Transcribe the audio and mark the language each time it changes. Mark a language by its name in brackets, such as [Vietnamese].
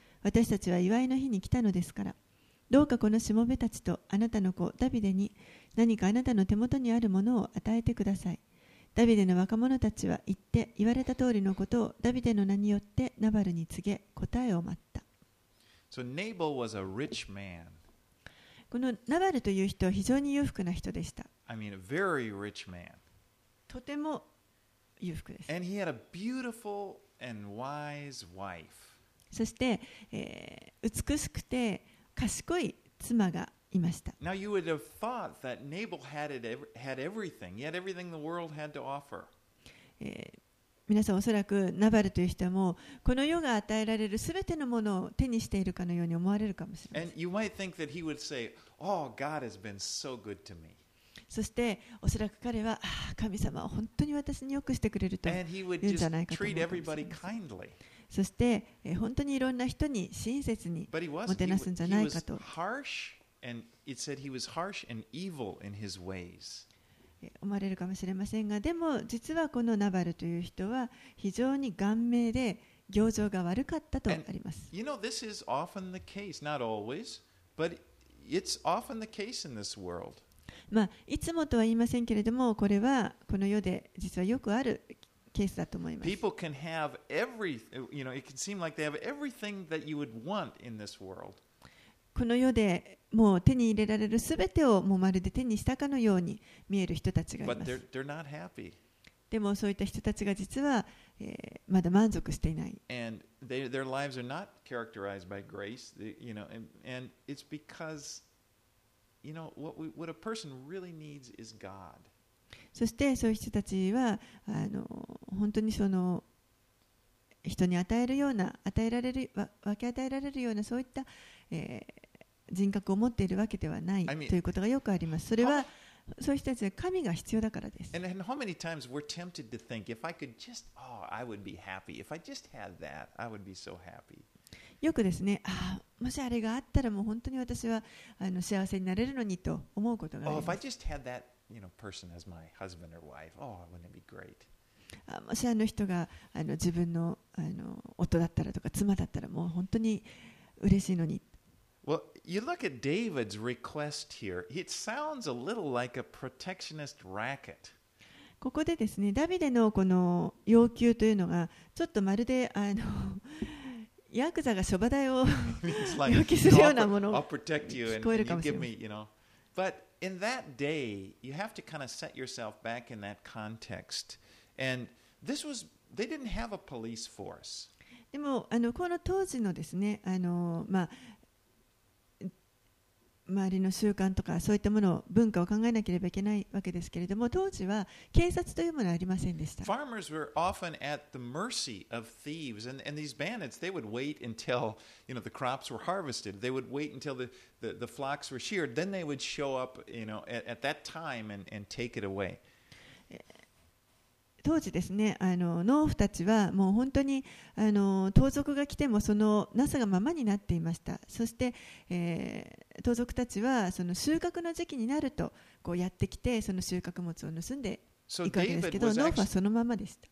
[Japanese] 私たちは祝いの日に来たのですから、どうかこのしもべたちとあなたの子ダビデに何かあなたの手元にあるものを与えてください。ダビデの若者たちは行って言われた通りのことをダビデの名によってナバルに告げ、答えを待った。 [English] So, Nabal was a rich man. [Japanese] このナバルという人は非常に裕福な人でした。 [English] I mean, a very rich man. [Japanese] とても裕福です。 [English] And he had a beautiful and wise wife. [Japanese] そして、美しくて賢い妻がいました。 [English] Now you would have thought that Nabal had everything. He had everything the world had to offer. [Japanese] 皆さんおそらくナバルという人もこの世が与えられるすべてのものを手にしているかのように思われるかもしれません。 [English] And you might think that he would say, "Oh, God has been so good to me." [Japanese] そしておそらく彼は、神様は本当に私に良くしてくれると言うんじゃないかと思うかもしれません。 [English] And he would just treat [Japanese] そして、本当にいろんな人に親切にもてなすんじゃないかと。思われるかもしれませんが、でも実はこのナバルという人は非常に顔面で行状が悪かったとあります。 [English] You know, this is often the case, not always, but it's often the case in this world. [Japanese] いつもとは言いませんけれども、これはこの世で実はよくある。ケースだと思います。 [English] People can have everything, you know, it can seem like they have everything that you would want in this world. [Japanese] この世でもう手に入れられるすべてをもうまるで手にしたかのように見える人たちがいます。 [English] But they're not happy. [Japanese] でもそういった人たちが実は、まだ満足していない。 [English] And their lives are not characterized by grace, you know, and it's because, you know, what a person really needs is God. [Japanese] そしてそういう人たちは本当にその人に与えるような与えられる分け与えられるようなそういった、人格を持っているわけではないということがよくあります。それはそういう人たちは神が必要だからです。 [English] and how many times we're tempted to think if I could just oh I would be happy if I just had that I would be so happy。 [Japanese] よくですね、ああもしあれがあったらもう本当に私は幸せになれるのにと思うことがあります。 [English] oh if I just had thatyou know, person as my husband or wife. Oh, wouldn't it be great? [Japanese] もしあの人が自分の夫だったらとか妻だったらもう本当に嬉しいのに。 [English] Well, you look at David's request here. It sounds a little like a protectionist racket. [Japanese] ここでですね、ダビデのこの要求というのがちょっとまるでヤクザがショバダイを要求するようなもの。 [English] I'll protect you and you give me, you know, but. In that day, you have to kind of set yourself back in that context. And this was, they didn't have a police force. [Japanese] でも、この当時のですね、周りの習慣とかそういったもの、文化を考えなければいけないわけですけれども、当時は警察というものはありませんでした。 [English] Farmers were often at the mercy of thieves, and these bandits, they would wait until, you know, the crops were harvested. They would wait until the flocks were sheared. Then they would show up, you know, at that time and take it away. [Japanese] 当時ですね、農夫たちはもう本当に盗賊が来てもそのなさがままになっていました。そして、盗賊たちはその収穫の時期になるとこうやってきてその収穫物を盗んでいくわけですけど、農夫はそのままでした。